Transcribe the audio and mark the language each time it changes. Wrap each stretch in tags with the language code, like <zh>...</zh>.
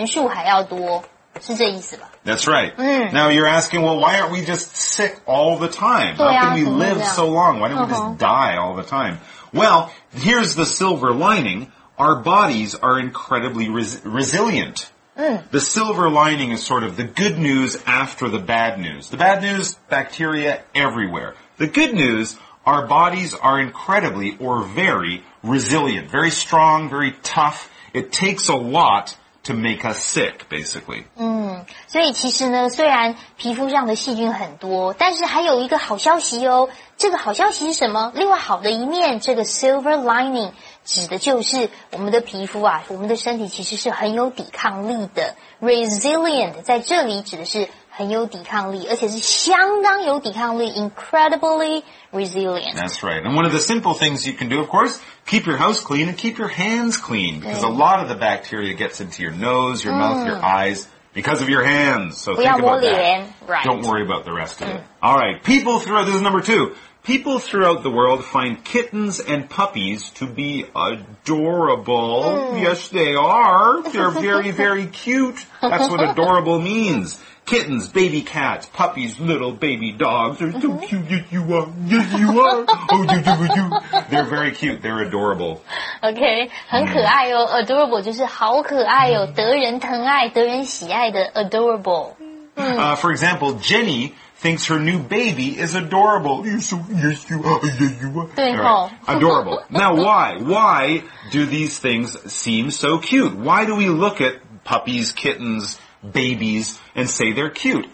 <zh>所以我们的皮肤上的细菌数呢，比美国人的人数还要多，是这意思吧？</zh> <en>That's right. Now you're asking, well, why aren't we just sick all the time? How can we live so long? Why don't we just die all the time? Well, here's the silver lining. Our bodies are incredibly resilient. The silver lining is sort of the good news after the bad news. The bad news, bacteria everywhere. The good news, our bodies are incredibly or very resilient, very strong, very tough. It takes a lot to make us sick, basically.</en> <zh>所以其实呢，虽然皮肤上的细菌很多，但是还有一个好消息哦。这个好消息是什么？另外好的一面，这个 silver lining 指的就是我们的皮肤啊，我们的身体其实是很有抵抗力的。 Resilient 在这里指的是很有抵抗力，而且是相当有抵抗力，</zh> <en>incredibly resilient. That's right. And one of the simple things you can do, of course, keep your house clean and keep your hands clean, because a lot of the bacteria gets into your nose, your mouth, your eyes, because of your hands. So think about that. Right. Don't worry about the rest of it. All right. People throughout, this is number two. People throughout the world find kittens and puppies to be adorable. Yes, they are. They're very, very cute. That's what adorable means. Kittens, baby cats, puppies, little baby dogs. They're so cute. Yes, you are. Yes, you are. Oh, you do, you. They're very cute. They're adorable.</en> <zh>Okay. 很可爱哦。 Adorable 就是好可爱哦。得人疼爱，得人喜爱的 adorable.</zh> <en>For example, Jenny thinks her new baby is adorable. You're so, yes, you are. Yes, you are.</en> <zh>对哦。</zh> <en>Adorable. Now, why? Why do these things seem so cute? Why do we look at puppies, kittens,babies and say they're cute?</en>